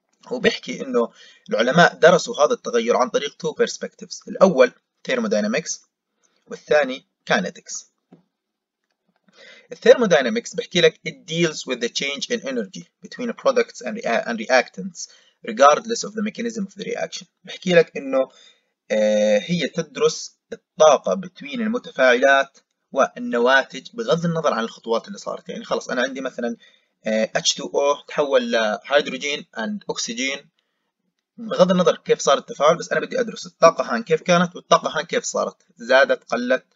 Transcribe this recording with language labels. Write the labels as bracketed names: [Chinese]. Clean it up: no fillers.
[Arabic] وبيحكي انه العلماء درسوا هذا التغير عن طريق تو بيرسبكتيفز، الاول ثيرمودينامكس والثاني كاينتكس. الثيرموداينامكس بحكي لك [English] it deals with the change in energy between products and reactants regardless of the mechanism of the reaction. [Arabic] بحكي لك انه هي تدرس الطاقة between المتفاعلات والنواتج بغض النظر عن الخطوات اللي صارت. يعني خلص انا عندي مثلا H2O تحول لهيدروجين and oxygen بغض النظر كيف صار التفاعل، بس انا بدي ادرس الطاقة هان كيف كانت والطاقة هان كيف صارت، زادت قلت.